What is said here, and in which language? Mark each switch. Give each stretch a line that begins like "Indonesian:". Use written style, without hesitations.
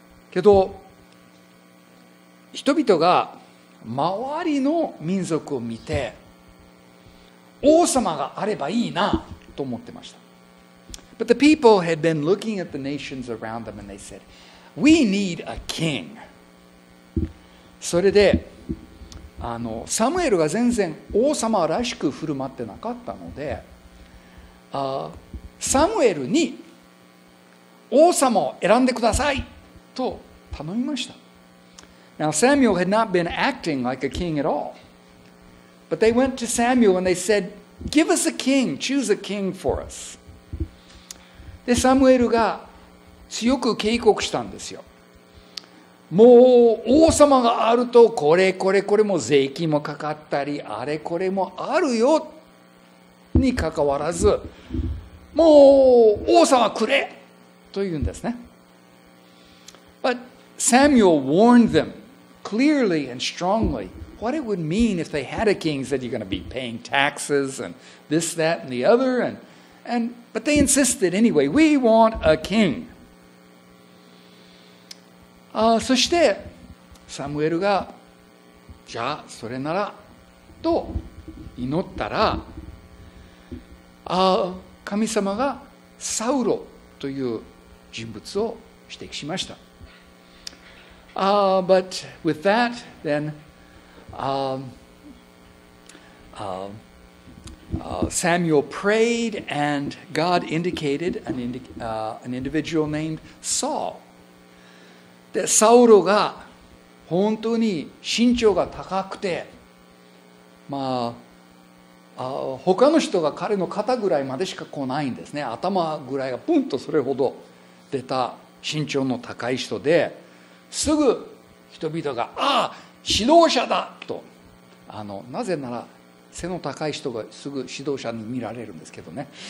Japanese: けど、人々が周りの民族を見て、王様があればいいなと思ってました。
English: But the people had been looking at the nations around them and they said, we need a king.
Japanese: それで、サムエルが全然王様らしく振る舞ってなかったので、サムエルに王様を選んでくださいと頼みました。
English: Now Samuel had not been acting like a king at all. But they went to Samuel and they said, give us a king, choose a king for us.
Japanese: でサムエルが強く警告したんですよ。もう王様があるとこれこれこれも税金もかかったりあれこれもあるよにかかわらず、もう王様くれと言うんですね。
English: But Samuel warned them clearly and strongly what it would mean if they had a king. Said you're going to be paying taxes and this, that, and the other andBut they insisted anyway, we want a king.
Japanese: そしてサムエルがじゃあそれならと祈ったら、神様がサウロという人物を指摘しました。
English: But with that, then, Samuel prayed and God indicated an individual named Saul.
Japanese: で、サウロが本当に身長が高くて、まあ、他の人が彼の肩ぐらいまでしか来ないんですね。頭ぐらいがプンとそれほど出た身長の高い人で、すぐ人々が、ああ、指導者だと、なぜなら、背の高い人がすぐ指導者に見られるんですけどね。